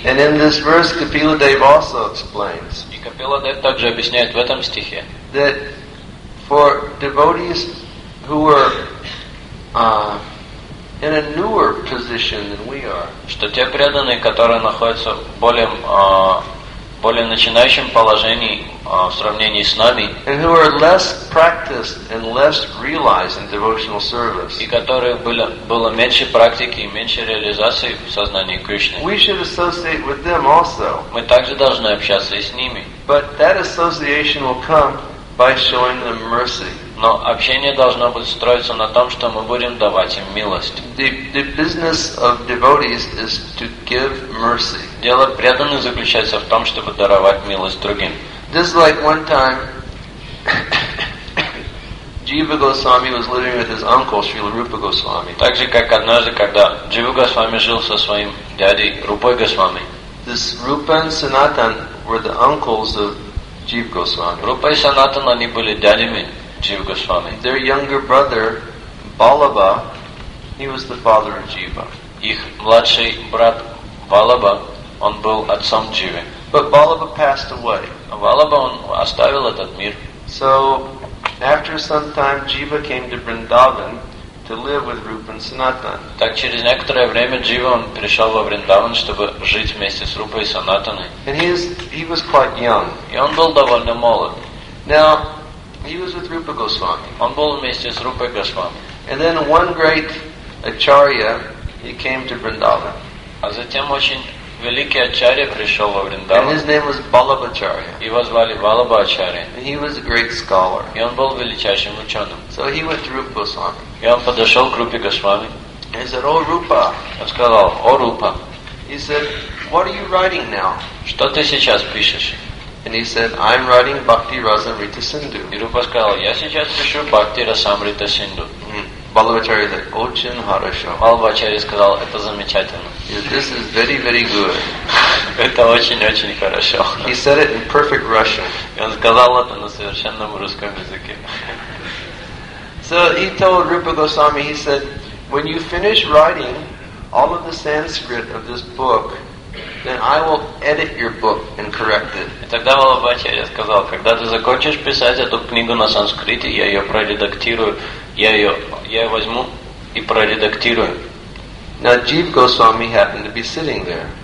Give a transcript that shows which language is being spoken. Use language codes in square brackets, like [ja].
[en] And in this verse, Kapila Dev also explains. [ru] И Капила Дев также объясняет в этом стихе. [en] That for devotees who were in a newer position than we are. [ru] Что те преданные, которые находятся в более начинающем положении в сравнении с нами, [en] and who are less practiced and less realized in devotional service. [ru] И которые было меньше практики и меньше реализации в сознании Кришны. [en] We should associate with them also. [ru] Мы также должны общаться и с ними. [en] But that association will come by showing them mercy. [ru] Но общение должно будет строиться на том, что мы будем давать им милость. [en] The business of devotees is to give mercy. [ru] Дело преданных заключается в том, чтобы даровать милость другим. [en] This is like one time Jiva Goswami was living with his uncle Srila Rupa Goswami. [ru] Так же, как однажды, когда Джива Госвами жил со своим дядей Рупой Госвами. [en] This Rupa and Sanatan were the uncles of Jiva Goswami. [ru] Рупа и Санатан, они были дядями Jiva Goswami. [en] Their younger brother, Balaba, he was the father of Jiva. [ru] Их младший брат Балаба, он был отцом Дживы. [en] But Balaba passed away. [ru] Балаба, он оставил этот мир. [en] So, after some time, Jiva came to Vrindavan to live with Rupa and Sanatan. [ru] Так через некоторое время Джива пришел во Вриндаван, чтобы жить вместе с Рупой и Санатаной. [en] And he was quite young. [ru] И он был довольно молод. [en] Now, he was with Rupa Goswami. [ru] Он был вместе с Рупой Госвами. [en] And then one great acharya, he came to Vrindavan. [ru] А затем очень великий ачарья пришел во Вриндаван. [en] And his name was Balabhacharya. [ru] Его звали Балаба Ачарья. [en] And he was a great scholar. [ru] И он был величайшим ученым. [en] So he went to Rupa Goswami. [ru] И он подошел к Рупе Госвами. [en] He said, "Oh Rupa." [ru] Он сказал: "О Рупа." [en] He said, "What are you writing now?" [ru] Что ты сейчас пишешь? [en] And he said, "I'm writing Bhakti Rasamrita Sindhu." [ru] И Рупа сказал: "Я сейчас пишу Бхакти Расамрита Синду." Балабхачарья [en] said, [ru] "Очень хорошо." Балабхачарья сказал: "Это замечательно." [en] This is very, very good. [ru] Это очень-очень хорошо. [en] He said it in perfect Russian. [ru] И он сказал это на совершенном русском языке. [en] So he told Rupa Goswami, he said, "When you finish writing all of the Sanskrit of this book, then I will edit your book and correct it." [ru] И тогда Балабхачарья сказал: "Когда ты закончишь писать эту книгу на санскрите, я ее проредактирую, я возьму и проредактирую." [en] Now Jiva Goswami happened to be sitting there.